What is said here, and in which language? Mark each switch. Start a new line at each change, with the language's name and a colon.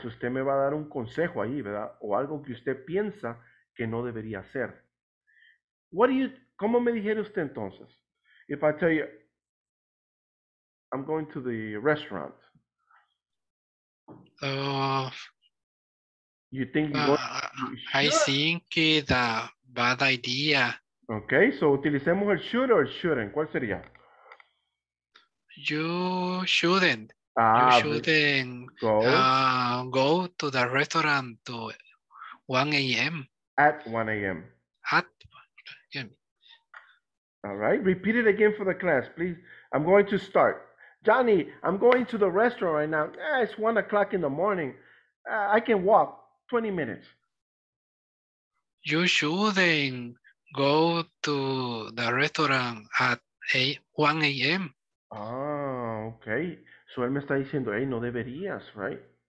Spanish: Usted me va a dar un consejo ahí, ¿verdad? O algo que usted piensa que no debería hacer. ¿Cómo me dijera usted entonces?
English: If I tell you, I'm going to the restaurant. You think I think it's a bad idea.
Spanish: Okay, so utilicemos el should or shouldn't. ¿Cuál sería?
English: You shouldn't. Go to the restaurant to 1 a.m. At 1 a.m. At 1 a.m. All right, repeat it again for the class, please. I'm going to start. Johnny, I'm going to the restaurant right now. It's 1 o'clock in the morning. I can walk 20 minutes. You shouldn't go to the restaurant at 1 a.m. Oh, okay.
Spanish: So él me está diciendo, hey, no deberías, right?